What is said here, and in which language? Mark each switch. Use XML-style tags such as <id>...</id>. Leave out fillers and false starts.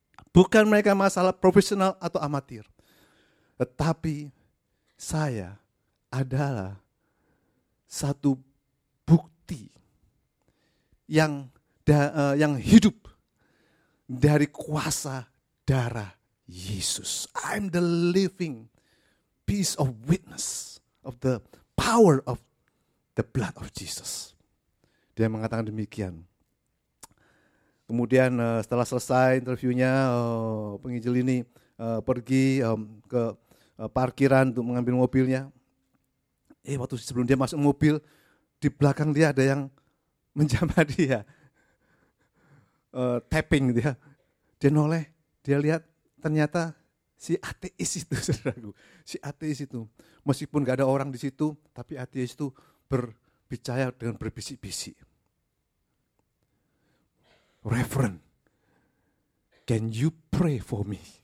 <id>Bukan mereka masalah profesional atau amatir. Tetapi saya adalah satu bukti yang hidup dari kuasa darah Yesus.</id> <en>I'm the living piece of witness of the power of the blood of Jesus.</en> <id>Dia mengatakan demikian. Kemudian setelah selesai interviewnya, penginjil ini pergi ke parkiran untuk mengambil mobilnya. Waktu sebelum dia masuk mobil, di belakang dia ada yang menjamah dia, tapping dia. Dia noleh, dia lihat ternyata si ateis itu, saudaraku. Si ateis itu, meskipun gak ada orang di situ, tapi ateis itu berbicara dengan berbisik-bisik.</id> <en>Reverend, can you pray for me?</en>